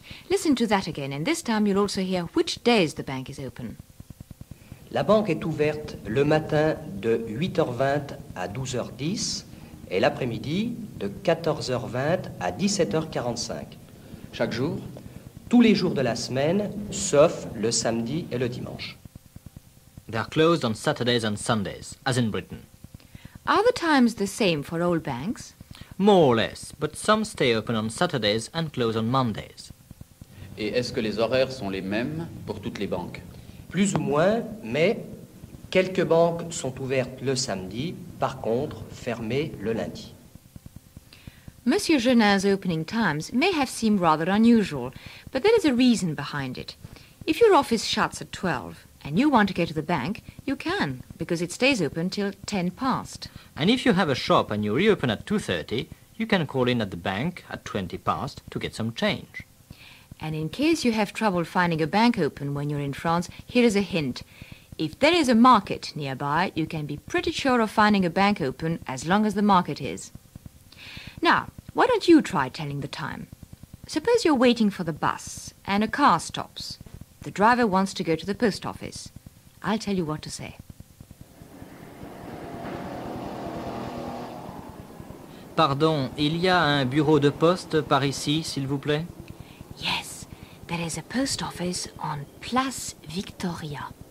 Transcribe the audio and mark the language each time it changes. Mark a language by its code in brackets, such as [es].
[en] Listen to that again, and this time you'll also hear which days the bank is open. [fr] La banque est ouverte le matin de 8h20 à 12h10 et l'après-midi de 14h20 à 17h45. Chaque jour? Tous les jours de la semaine, sauf le samedi et le dimanche. [en] They are closed on Saturdays and Sundays, as in Britain. Are the times the same for all banks? More or less, but some stay open on Saturdays and close on Mondays. [fr] Et est-ce que les horaires sont les mêmes pour toutes les banques? Plus ou moins, mais quelques banques sont ouvertes le samedi, par contre fermées le lundi. [en] Monsieur Jeunin's opening times may have seemed rather unusual, but there is a reason behind it. If your office shuts at 12 and you want to go to the bank, you can, because it stays open till 10 past. And if you have a shop and you reopen at 2:30, you can call in at the bank at 20 past to get some change. And in case you have trouble finding a bank open when you're in France, here is a hint. If there is a market nearby, you can be pretty sure of finding a bank open as long as the market is. Now, why don't you try telling the time? Suppose you're waiting for the bus and a car stops. The driver wants to go to the post office. I'll tell you what to say. [fr] Pardon, il y a un bureau de poste par ici, s'il vous plaît? [en] Yes, there is a post office on Place Victoria.